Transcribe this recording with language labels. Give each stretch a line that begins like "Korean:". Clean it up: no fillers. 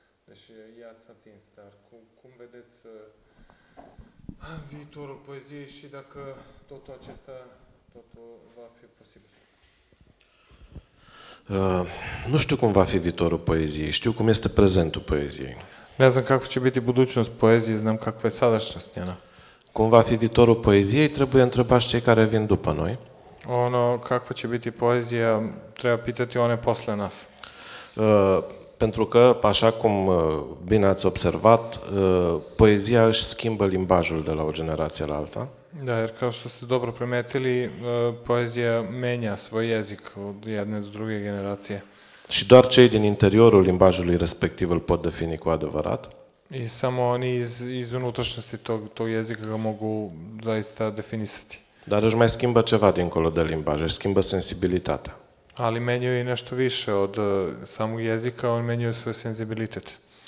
Romanian: Deci i-ați atins, dar cum vedeți viitorul poeziei și dacă totul acesta va fi posibil. Nu știu cum va fi viitorul poeziei, știu cum este prezentul poeziei.
Serbian: Ne znam kakva će biti budućnost poezije, znam kakva je sadašnjost njena.
Romanian: Cum va fi viitorul poeziei, trebuie întrebați cei care vin după noi.
Serbian: Ono, kakva će biti poezija, treba pitati one posle nas.
Romanian: Pentru că, așa cum bine ați observat, poezia își schimbă limbajul de la o generație la alta.
Serbian: Da, jer kao što ste dobro primetili, poezija menja svoj jezik od jedne do druge generacije.
Romanian: Și doar cei din interiorul limbajului respectiv îl pot defini cu adevărat?
Serbian: I samo oni iz unutrašnjosti tog jezika ga mogu zaista definisati.
Romanian: Dar își mai schimbă ceva dincolo de limbaj, își schimbă sensibilitatea.
Serbian: Ali menjaju i nešto više od samog jezika, oni menjaju svoj senzibilitet.